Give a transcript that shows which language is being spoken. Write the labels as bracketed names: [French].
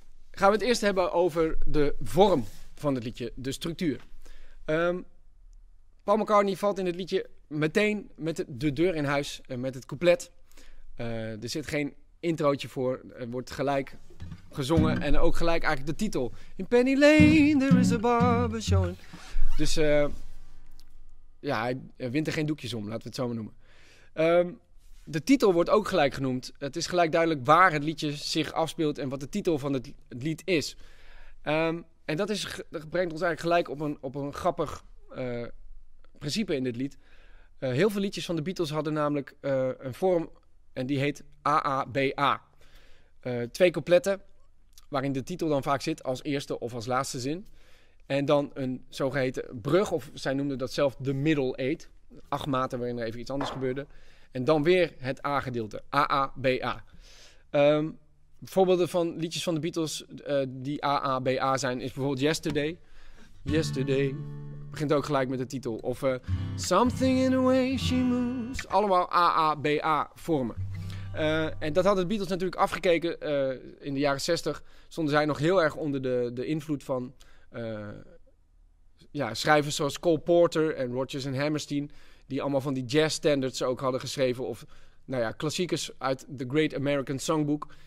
[Dutch] Gaan we het eerst hebben over de vorm van het liedje, de structuur. Paul McCartney valt in het liedje meteen met de deur in huis, met het couplet. Er zit geen introotje voor, er wordt gelijk gezongen en ook gelijk eigenlijk de titel. [English] In Penny Lane, there is a barber showing. [Dutch] Dus ja, hij wint er geen doekjes om, laten we het zo maar noemen. De titel wordt ook gelijk genoemd. Het is gelijk duidelijk waar het liedje zich afspeelt en wat de titel van het lied is. En dat brengt ons eigenlijk gelijk op een grappig principe in dit lied. Heel veel liedjes van de Beatles hadden namelijk een vorm en die heet AABA. Twee coupletten waarin de titel dan vaak zit als eerste of als laatste zin. En dan een zogeheten brug, of zij noemden dat zelf de middle eight. 8 maten waarin er even iets anders gebeurde. En dan weer het A-gedeelte, AABA. Voorbeelden van liedjes van de Beatles die AABA zijn, is bijvoorbeeld Yesterday. Yesterday begint ook gelijk met de titel. Of Something in the way she moves. Allemaal AABA vormen. En dat hadden de Beatles natuurlijk afgekeken. In de jaren 60 stonden zij nog heel erg onder de invloed van schrijvers zoals Cole Porter en Rodgers en Hammerstein. Die allemaal van die jazz standards ook hadden geschreven. Of nou ja, klassiekers uit The Great American Songbook.